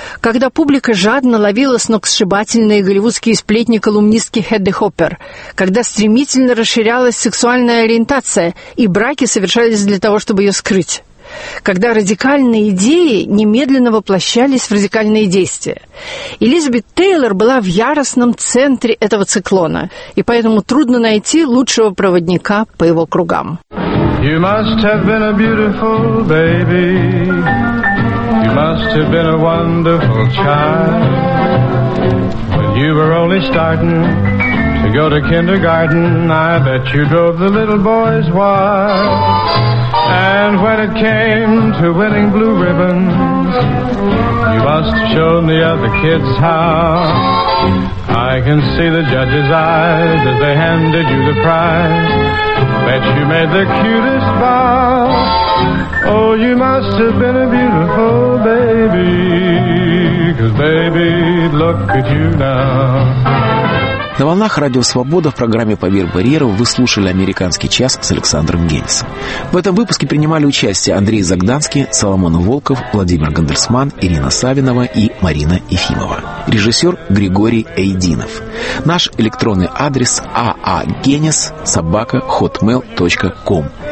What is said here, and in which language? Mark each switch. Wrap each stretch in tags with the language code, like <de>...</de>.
<ru>когда публика жадно ловила сногсшибательные голливудские сплетни колумнистки Хедды Хоппер, когда стремительно расширялась сексуальная ориентация и браки совершались для того, чтобы ее скрыть, когда радикальные идеи немедленно воплощались в радикальные действия. Элизабет Тейлор была в яростном центре этого циклона, и поэтому трудно найти лучшего проводника по его кругам.</ru> <en>You must have been a beautiful baby. You must have been a wonderful child. When you were only starting to go to kindergarten, I bet you drove the little boys wild. And when it came to winning blue ribbons, you must have shown the other kids how. I can see the judges' eyes as they handed you the prize. Bet you made the cutest bow. Oh, you must have been a beautiful baby, 'cause baby, look at you now.</en> <ru>На волнах «Радио Свобода» в программе «Поверх барьеров» вы слушали «Американский час» с Александром Генисом. В этом выпуске принимали участие Андрей Загданский, Соломон Волков, Владимир Гандельсман, Ирина Савинова и Марина Ефимова. Режиссер Григорий Эйдинов. Наш электронный адрес aagenis@hotmail.com.</ru>